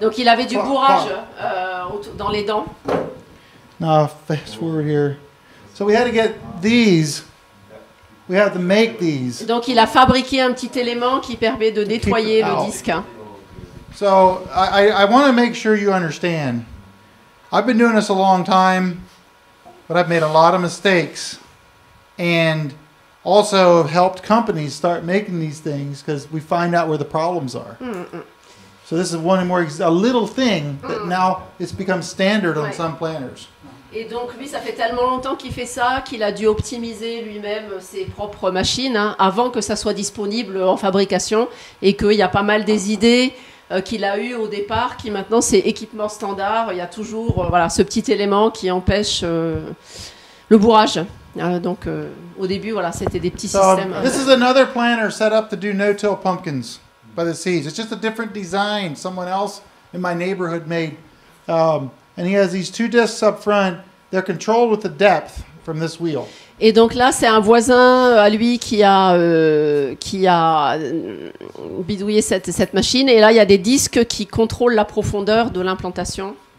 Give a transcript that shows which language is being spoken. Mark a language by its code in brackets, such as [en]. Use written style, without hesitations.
[fr] Donc il avait du bourrage dans les dents. [en] Now fast forward here. So we had to get these. We have to make these. [fr] Donc il a fabriqué un petit élément qui permet de nettoyer le disque. [en] So I want to make sure you understand. I've been doing this a long time, but I've made a lot of mistakes and also have helped companies start making these things because we find out where the problems are. Mm-hmm. So this is one more a little thing that now it's become standard on some planters. [fr] Et donc, lui, ça fait tellement longtemps qu'il fait ça qu'il a dû optimiser lui-même ses propres machines hein, avant que ça soit disponible en fabrication et qu'il y a pas mal des idées qu'il a eues au départ qui maintenant, c'est équipement standard. Il y a toujours voilà, ce petit élément qui empêche le bourrage. Donc, au début, voilà, c'était des petits systèmes. [en] This is another planter set up to do no-till pumpkins by the seeds. It's just a different design someone else in my neighborhood made. And he has these two discs up front. They're controlled with the depth from this wheel. [fr] Et donc là, c'est un voisin à lui qui a bidouillé cette machine. Et là, il y a des disques qui contrôlent la profondeur de l'implantation.